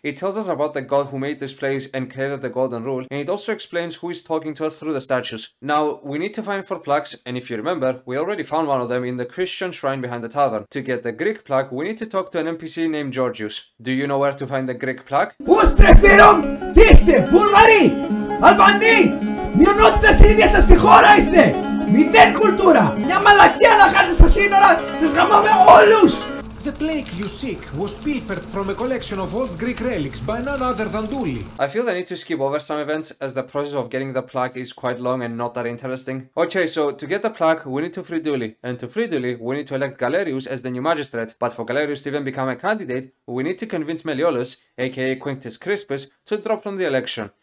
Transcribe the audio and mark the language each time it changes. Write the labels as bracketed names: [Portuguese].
[English] It tells us about the god who made this place and created the golden rule, and it also explains who is talking to us through the statues. Now, we need to find four plaques, and if you remember, we already found one of them in the Christian shrine behind the tavern. To get the Greek plaque, we need to talk to an NPC named Georgius. Do you know where to find the Greek plaque? [Greek] Στρεφίρομ, τι είστε, Βούλγαροι, Αλβανοί, μειονότητα στην ίδια σας τη χώρα είστε, μηδέν κουλτούρα, μια μαλακία να κάνετε στα σύνορα, σας γαμάμε όλους! [English] The plaque you seek was pilfered from a collection of old Greek relics by none other than Dooley. I feel the need to skip over some events, as the process of getting the plaque is quite long and not that interesting. Okay, so to get the plaque, we need to free Dooley. And to free Dooley, we need to elect Galerius as the new magistrate. But for Galerius to even become a candidate, we need to convince Meliolus, aka Quinctus Crispus, to drop from the election.